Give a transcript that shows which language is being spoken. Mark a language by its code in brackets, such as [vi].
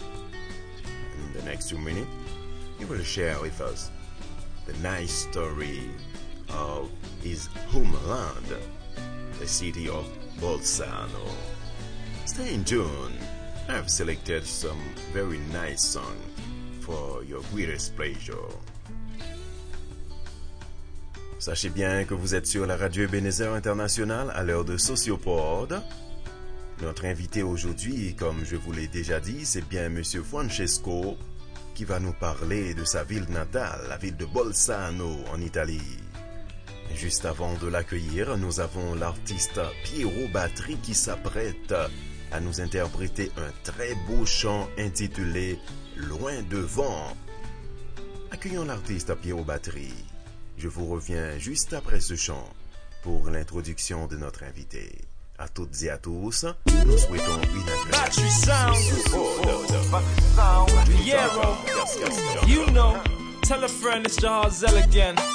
[en] In the next few minutes, he will share with us the nice story of his homeland, the city of Bolzano. Stay in tune. I've selected some very nice song for your greatest pleasure. [fr] Sachez bien que vous êtes sur la radio Ebenezer International à l'heure de Sociopod. Notre invité aujourd'hui, comme je vous l'ai déjà dit, c'est bien M. Francesco qui va nous parler de sa ville natale, la ville de Bolzano en Italie. Juste avant de l'accueillir, nous avons l'artiste Piero Batri qui s'apprête à nous interpréter un très beau chant intitulé « Loin devant ». Accueillons l'artiste Piero Batri. Je vous reviens juste après ce chant pour l'introduction de notre invité. À toutes et à tous, nous souhaitons une agréable. [en] You know, tell a friend it's the Hazel again.